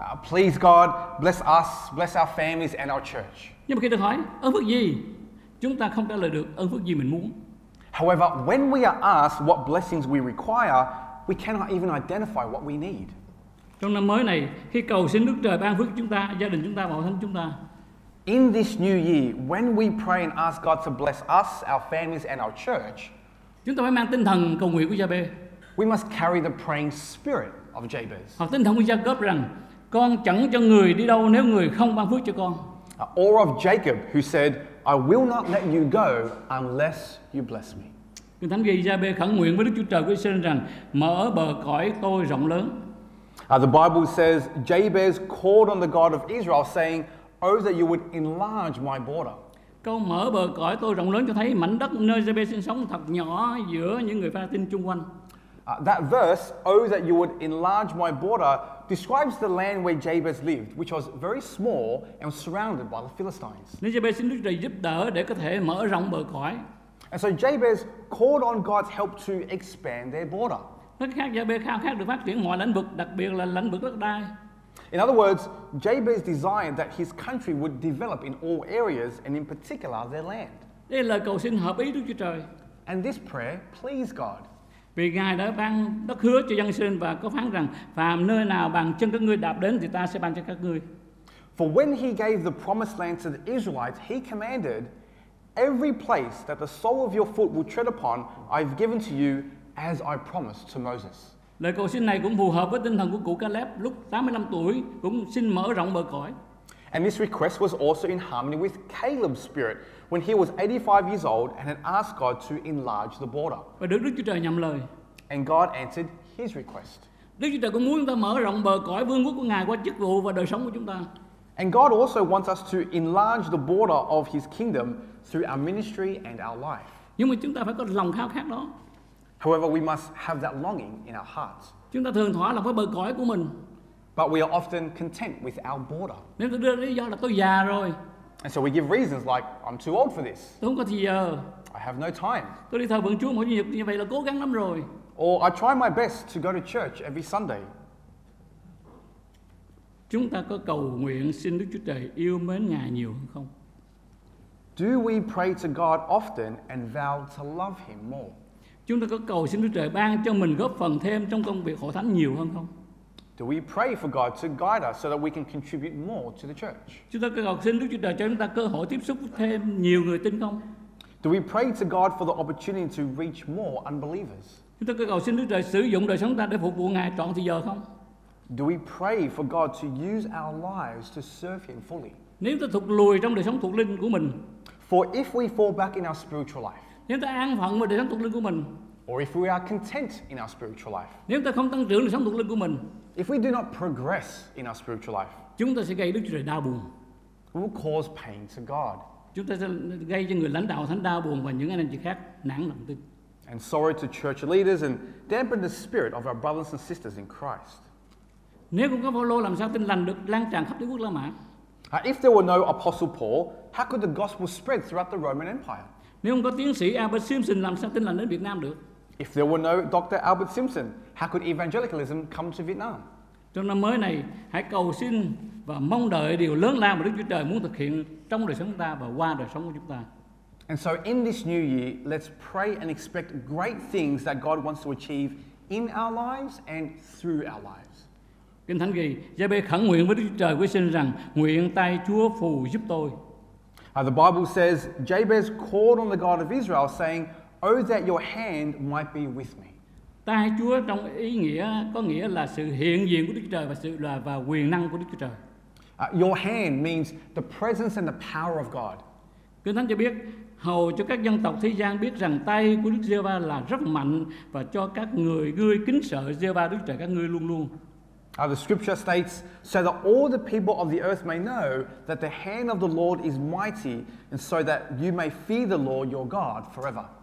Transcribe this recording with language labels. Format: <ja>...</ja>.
<en>Please God, bless us, bless our families and our church.</en> <vi>Nhưng mà khi được hỏi, ơn phước gì? Chúng ta không trả lời được ơn phước gì mình muốn.</vi> <en>However, when we are asked what blessings we require, we cannot even identify what we need.</en> <vi>Trong năm mới này, khi cầu xin Đức Trời ban phước chúng ta, gia đình chúng ta và hội thánh chúng ta.</vi> <en>In this new year, when we pray and ask God to bless us, our families and our church,</en> <vi>chúng ta phải mang tinh thần cầu nguyện của Jabez.</vi> <en>We must carry the praying spirit of Jabez.</en> <vi>Hoặc tinh thần của Jacob rằng, con chẳng cho người đi đâu nếu người không ban phước cho con.</vi> <en>Or of Jacob who said, I will not let you go unless you bless me.</en> <vi>Kinh Thánh ghi Jabez khẩn nguyện với Đức Chúa Trời của Israel rằng, mở bờ cõi tôi rộng lớn.</vi> <en>The Bible says Jabez called on the God of Israel saying, oh that you would enlarge my border.</en> <vi>Câu mở bờ cõi tôi rộng lớn cho thấy mảnh đất nơi Jabez sinh sống thật nhỏ giữa những người Pha-tin chung quanh.</vi> <en>That verse, oh that you would enlarge my border, describes the land where Jabez lived, which was very small and was surrounded by the Philistines.</en> <vi>Nên Jabez xin Đức Trời giúp đỡ để có thể mở rộng bờ cõi.</vi> <en>And so Jabez called on God's help to expand their border.</en> <vi>Nói khác, Jabez khao khát được phát triển mọi lĩnh vực, đặc biệt là lĩnh vực đất đai.</vi> <en>In other words, Jabez desired that his country would develop in all areas and in particular their land.</en> <vi>Đây là cầu xin hợp ý Đức Chúa Trời.</vi> <en>And this prayer pleased God.</en> <vi>Vì Ngài đã ban đất hứa cho dân Israel và có phán rằng phàm nơi nào bằng chân các ngươi đạp đến thì ta sẽ ban cho các ngươi.</vi> <en>For when he gave the promised land to the Israelites, he commanded, every place that the sole of your foot will tread upon, I've given to you as I promised to Moses.</en> <vi>Lời cầu xin này cũng phù hợp với tinh thần của cụ Caleb lúc 85 tuổi cũng xin mở rộng bờ cõi.</vi> <en>And this request was also in harmony with Caleb's spirit when he was 85 years old and had asked God to enlarge the border.</en> <vi>Và được Đức Chúa Trời nhậm lời.</vi> <en>And God answered his request.</en> <vi>Đức Chúa Trời cũng muốn chúng ta mở rộng bờ cõi vương quốc của Ngài qua chức vụ và đời sống của chúng ta.</vi> <en>And God also wants us to enlarge the border of his kingdom through our ministry and our life.</en> <vi>Nhưng mà chúng ta phải có lòng khao khát đó.</vi> <en>However, we must have that longing in our hearts.</en> <vi>Chúng ta thường thỏa lòng với bờ cõi của mình.</vi> <en>But we are often content with our border.</en> <vi>Nếu tôi đưa lý do là tôi già rồi.</vi> <en>And so we give reasons like I'm too old for this.</en> <vi>Tôi không có thời giờ.</vi> <en>I have no time.</en> <vi>Tôi đi thờ phượng Chúa mỗi chủ nhật như vậy là cố gắng lắm rồi.</vi> <en>Or I try my best to go to church every Sunday.</en> <vi>Chúng ta có cầu nguyện xin Đức Chúa Trời yêu mến Ngài nhiều hơn không?</vi> <en>Do we pray to God often and vow to love Him more?</en> <vi>Chúng ta có cầu xin Đức Chúa Trời ban cho mình góp phần thêm trong công việc hội thánh nhiều hơn không?</vi> <en>Do we pray for God to guide us so that we can contribute more to the church?</en> <vi>Chúng ta cầu xin Đức Chúa Trời cho chúng ta cơ hội tiếp xúc thêm nhiều người tin không?</vi> <en>Do we pray to God for the opportunity to reach more unbelievers?</en> <vi>Chúng ta cầu xin Đức Chúa Trời sử dụng đời sống ta để phục vụ Ngài trọn thời giờ không?</vi> <en>Do we pray for God to use our lives to serve Him fully?</en> <vi>Nếu ta thụt lùi trong đời sống thuộc linh của mình,</vi> <en>for if we fall back in our spiritual life,</en> <vi>nếu ta an phận với đời sống thuộc linh của mình,</vi> <en>or if we are content in our spiritual life,</en> <vi>nếu ta không tăng trưởng đời sống thuộc linh của mình,</vi> <en>if we do not progress in our spiritual life,</en> <vi>chúng ta sẽ gây Đức Chúa Trời đau buồn.</vi> <en>We will cause pain to God.</en> <vi>Chúng ta sẽ gây cho người lãnh đạo thánh đau buồn và những anh chị khác nản lòng tin.</vi> <en>And sorrow to church leaders and dampen the spirit of our brothers and sisters in Christ.</en> <vi>Nếu không có Phao-lô làm sao tin lành được lan tràn khắp đế quốc La Mã?</vi> <en>If there were no Apostle Paul, how could the gospel spread throughout the Roman Empire?</en> <vi>Nếu không có tiến sĩ Albert Simpson làm sao tin lành đến Việt Nam được?</vi> <en>If there were no Dr. Albert Simpson, how could evangelicalism come to Vietnam?</en> <vi>Trong năm mới này, hãy cầu xin và mong đợi điều lớn lao mà Đức Chúa Trời muốn thực hiện trong đời sống ta và qua đời sống của chúng ta.</vi> <en>And so in this new year, let's pray and expect great things that God wants to achieve in our lives and through our lives.</en> <vi>Kinh Thánh ghi, Giê-bê khẩn nguyện với Đức Chúa Trời quyết xin rằng, nguyện tay Chúa phù giúp tôi.</vi> <en>The Bible says, Jabez called on the God of Israel saying, oh that your hand might be with me.</en> <vi>Tay Chúa trong ý nghĩa có nghĩa là sự hiện diện của Đức Chúa Trời và sự và quyền năng của Đức Chúa Trời.</vi> <en>Your hand means the presence and the power of God.</en> <vi>Kinh Thánh cho biết, hầu cho các dân tộc thế gian biết rằng tay của Đức Giê-hô-va là rất mạnh và cho các người ngươi kính sợ Giê-hô-va Đức Trời các ngươi luôn luôn.</vi> <en>The scripture states, so that all the people of the earth may know that the hand of the Lord is mighty and so that you may fear the Lord your God forever.</en>